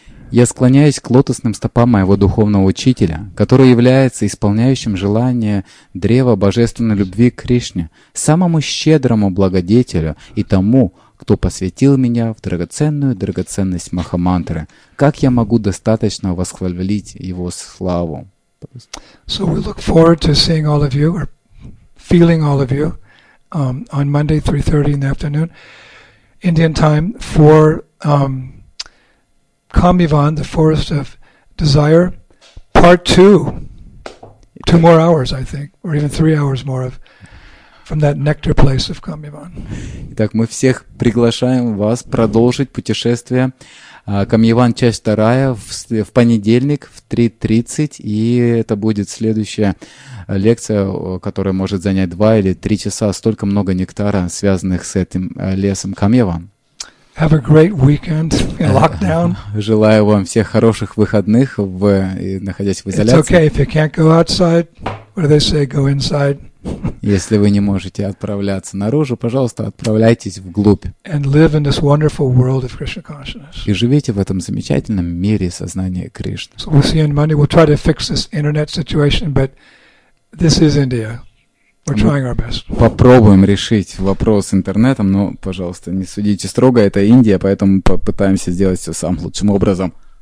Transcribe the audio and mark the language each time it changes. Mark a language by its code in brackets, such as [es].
[ru] Я склоняюсь к лотосным стопам моего духовного учителя, который является исполняющим желание древа божественной любви к Кришне, самому щедрому благодетелю и тому, кто посвятил меня в драгоценную драгоценность Махамантры. Как я могу достаточно восхвалить его славу? [en] So we look forward to seeing all of you, or feeling all of you, on Monday, 3:30 in the afternoon, Indian time, for Kamivan, the Forest of Desire, part two. Two more hours, I think, or even 3 hours more of from that nectar place of Kamivan. [ru] Итак, мы всех приглашаем вас продолжить путешествие Камьеван, часть вторая, в понедельник в 3:30, и это будет следующая лекция, которая может занять 2 или 3 часа, столько много нектара, связанных с этим лесом Камьеван. [en] Have a great weekend in lockdown. [ru] Желаю вам всех хороших выходных, находясь в изоляции. [en] It's okay if you can't go outside. What do they say? Go inside. [ru] Если вы не можете отправляться наружу, пожалуйста, отправляйтесь вглубь. [en] And live in this wonderful world of Krishna consciousness. [ru] И живите в этом замечательном мире сознания Кришны. [en] So we'll see you on Monday. We'll try to fix this internet situation, but this is India. We're trying our best. [ru] Попробуем решить вопрос с интернетом, но, пожалуйста, не судите строго, это Индия, поэтому попытаемся сделать все самым лучшим образом.